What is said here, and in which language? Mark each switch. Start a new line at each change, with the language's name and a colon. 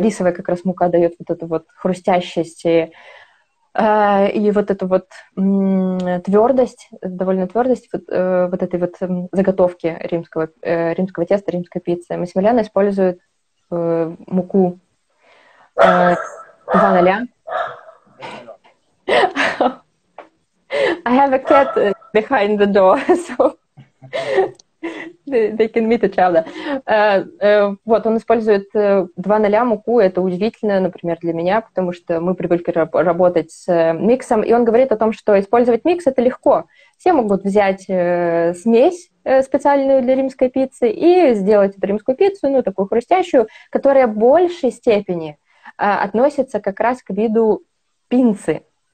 Russian: Рисовая как раз мука дает вот эту вот хрустящесть и вот эту вот твердость, довольно твердость вот этой вот заготовки римского теста, римской пиццы. Массимилиано использует муку 2:0.
English: I have a cat behind the door, so they can meet each other.
Russian: Вот, он использует 2:0 муку, это удивительно, например, для меня, потому что мы привыкли работать с миксом, и он говорит о том, что использовать микс — это легко. Все могут взять смесь специальную для римской пиццы и сделать эту римскую пиццу, ну, такую хрустящую, которая в большей степени относится как раз к виду пинцы.